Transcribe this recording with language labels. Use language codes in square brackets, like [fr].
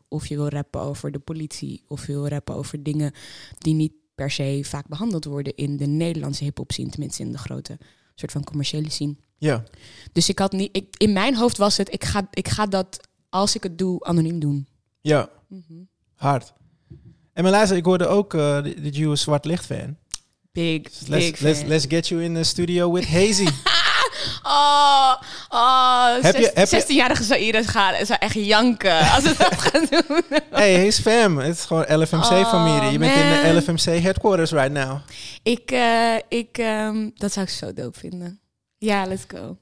[nl] Of je wil rappen over de politie. Of je wil rappen over dingen die niet per se vaak behandeld worden in de Nederlandse hip-hop scene. Tenminste in de grote soort van commerciële scene. Ja. Dus ik had niet. In mijn hoofd was het. Ik ga dat als ik het doe, anoniem doen. Ja. Mm-hmm. Hard. En Melissa, ik hoorde ook de Jew Zwart Licht fan. [en] Big. Let's get you in the studio with Hazy. [nl] Oh, 16-jarige Zaire zou echt janken als het dat gaat doen. [en] Hey, he's fam. [nl] Het is gewoon LFMC-familie. Je bent in de LFMC headquarters [en] right now. [nl] Ik dat zou ik zo dope vinden. Ja, [en] let's go.